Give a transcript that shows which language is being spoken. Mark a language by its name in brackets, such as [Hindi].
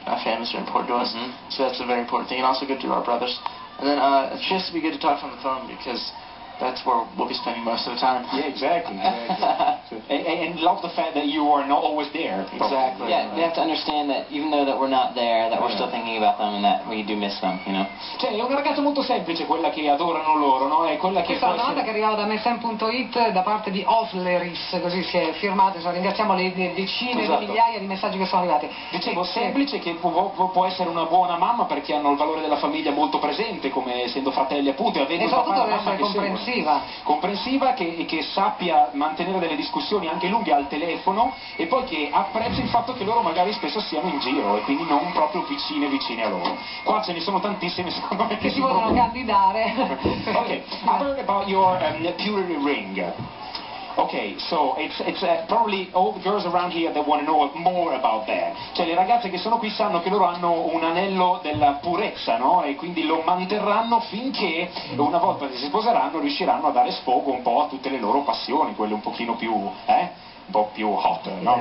[English] Our family is very important to us. Mm-hmm. So that's a very important thing. And also good to our brothers. And then she has to be good to talk on the phone because that's where we'll be spending most of the time. Yeah, exactly. And love the fact that you are not always there. Exactly. Yeah, they have to understand that even though that we're not there, that we're still thinking about them and that we do miss them, you know. [Italian] Cioè, è una ragazza molto semplice, quella che adorano loro, no? È quella che... Questa domanda che arriva da mfm.it da parte di Osleris, così si è firmato, [English] so, [Italian] ringraziamo le decine di migliaia di messaggi che sono arrivati. Dicevo, semplice, che può essere una buona mamma perché hanno il valore della famiglia molto presente, come essendo fratelli appunto, e avendo il papà e la mamma che sono. Comprensiva che sappia mantenere delle discussioni anche lunghe al telefono e poi che apprezzi il fatto che loro magari spesso siano in giro e quindi non proprio vicine vicine a loro. Qua ce ne sono tantissime secondo me che si vogliono proprio... candidare. [English] Ok, about your purity ring. Okay, so it's probably all the girls around here that want to know more about that. [Italian] Cioè le ragazze che sono qui sanno che loro hanno un anello della purezza, no? E quindi lo manterranno finché una volta che si sposeranno riusciranno a dare sfogo un po' a tutte le loro passioni, quelle un pochino più, un po' più hot, no?